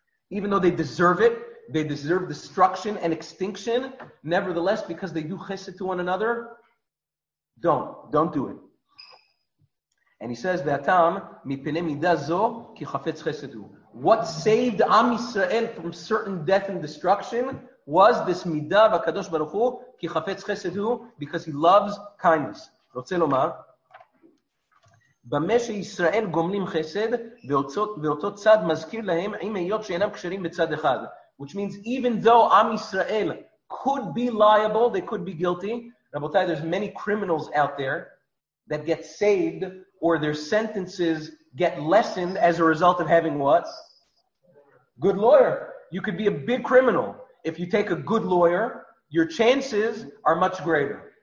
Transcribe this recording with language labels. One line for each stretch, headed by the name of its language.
English: Even though they deserve it, they deserve destruction and extinction, nevertheless, because they do chesed to one another, don't do it. And he says,
Hebrew: V'atam, mipinei mida zo, ki chafetz chesedu.
English: What saved Am Yisrael from certain death and destruction was this mida v'kadosh baruch hu,
Hebrew: ki chafetz chesedu,
English: because he loves kindness.
Hebrew: Rotze lomar, במה שישראל גומלים חסד ואותו צד מזכיר להם עם היות שאינם קשרים בצד אחד.
English: Which means even though Am Yisrael could be liable, they could be guilty. Rabotai, there's many criminals out there that get saved or their sentences get lessened as a result of having what? Good lawyer. You could be a big criminal. If you take a good lawyer, your chances are much greater.